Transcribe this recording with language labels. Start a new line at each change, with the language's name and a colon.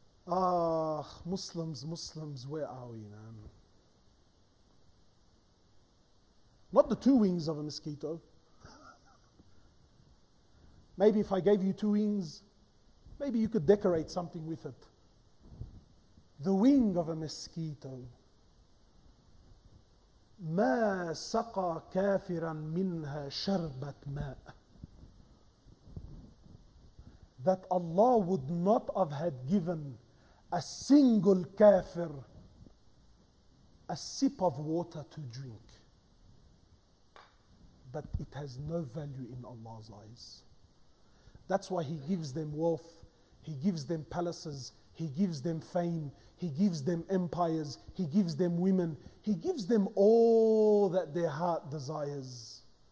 English: Ah, Muslims, where are we, man? Not the two wings of a mosquito. Maybe if I gave you two wings, maybe you could decorate something with it. The wing of a mosquito.
Arabic: ما سقى كافرا منها شربة ماء.
English: That Allah would not have had given a single kafir a sip of water to drink. But it has no value in Allah's eyes. That's why He gives them wealth, He gives them palaces, He gives them fame, He gives them empires, He gives them women, He gives them all that their heart desires.